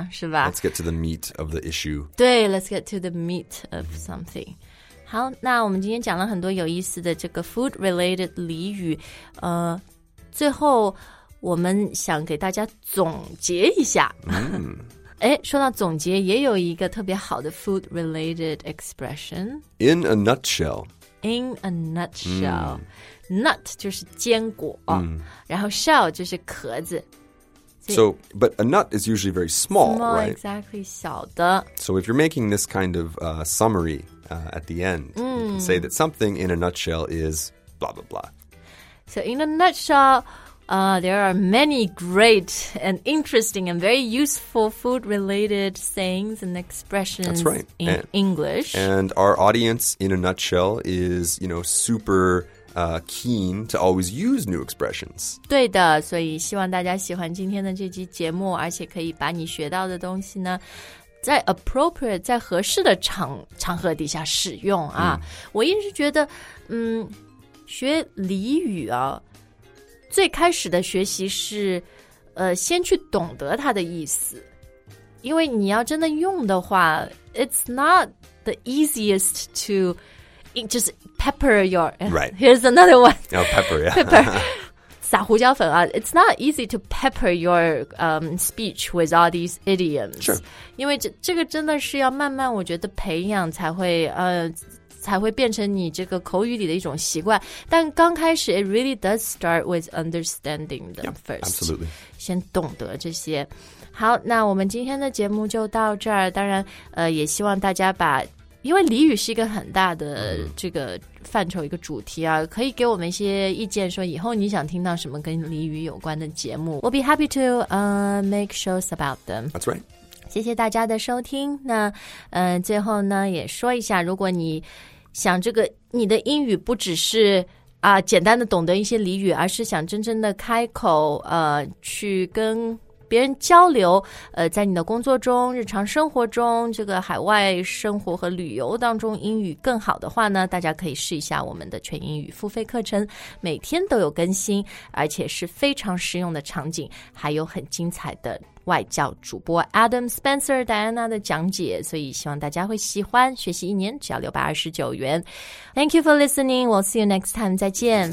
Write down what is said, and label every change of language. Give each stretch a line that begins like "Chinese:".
English: yeah.
Chinese: 是吧
English: Let's get to the meat of the issue. 对 let's get to the meat of something.
Chinese: 好那我们今天讲了很多有意思的这个 food related 俚语最后我们想给大家总结一下、说到总结也有一个特别好的 food related expression
English: In a nutshell In a nutshell、
Chinese: Nut 就是坚果、然后 shell 就是壳子
English: So, but a nut is usually very small, small right? Exactly,
Chinese: 小的
English: So if you're making this kind of summary at the end、you can say that something in a nutshell is blah blah blah So in a nutshell, there are many great and interesting and very useful food-related sayings and expressions That's right. in English. And our audience, in a nutshell, is, you know, super... keen to always use new expressions.
Chinese: 对的，所以希望大家喜欢今天的这期节目，而且可以把你学到的东西呢，在 appropriate, 在合适的场合底下使用啊。我一直觉得，学俚语啊，最开始的学习是，先去懂得它的意思，因为你要真的用的话 ，
English: it's not the easiest to just pepper your right. Here's another one. Oh, pepper, yeah. Pepper,
Chinese: 撒胡椒粉啊
English: It's not easy to pepper your speech with all these idioms. Sure.
Chinese: 因为这个真的是要慢慢，我觉得培养才会变成你这个口语里的一种习惯。但刚开始
English: ，it really does start with understanding them first. Yeah, absolutely.
Chinese: 先懂得这些。好，那我们今天的节目就到这儿。当然，也希望大家把，因为俚语是一个很大的这个范畴一个主题啊，可以给我们一些意见，说以后你想听到什么跟俚语有关的节目。
English: We'll be happy to make shows about them. That's right.
Chinese: 谢谢大家的收听那最后呢也说一下如果你想这个你的英语不只是简单的懂得一些俚语而是想真正的开口去跟别人交流在你的工作中日常生活中这个海外生活和旅游当中英语更好的话呢大家可以试一下我们的全英语付费课程每天都有更新而且是非常实用的场景还有很精彩的外教主播 Adam Spencer Diana 的讲解所以希望大家会喜欢学习一年只要629元
English: Thank you for listening We'll see you next time
Chinese: 再见